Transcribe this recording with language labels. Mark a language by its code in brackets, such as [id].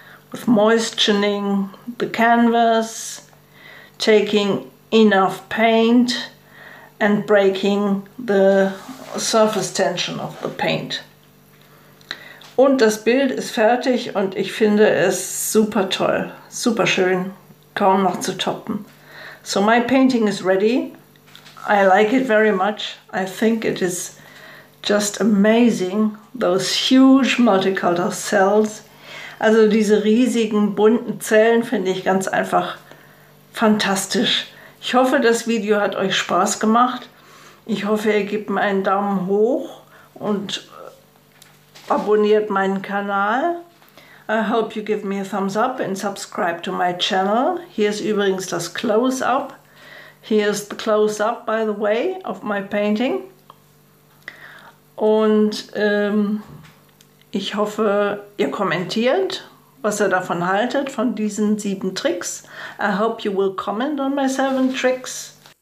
[en] With moistening the canvas, taking enough paint and breaking the surface tension of the paint. [de] Und das Bild ist fertig und ich finde es super toll, super schön, kaum noch zu toppen. [en] So my painting is ready. I like it very much. I think it is just amazing, those huge multicolored cells. [de] Also diese riesigen bunten Zellen finde ich ganz einfach fantastisch. Ich hoffe, das Video hat euch Spaß gemacht. Ich hoffe, ihr gebt mir einen Daumen hoch und abonniert meinen Kanal. [en] I hope you give me a thumbs up and subscribe to my channel. [de] Hier ist übrigens das Close-up. [en] Here is the Close-up, by the way, of my painting. [de] Und ich hoffe, ihr kommentiert, was ihr davon haltet, von diesen 7 Tricks. [en] I hope you will comment on my 7 tricks.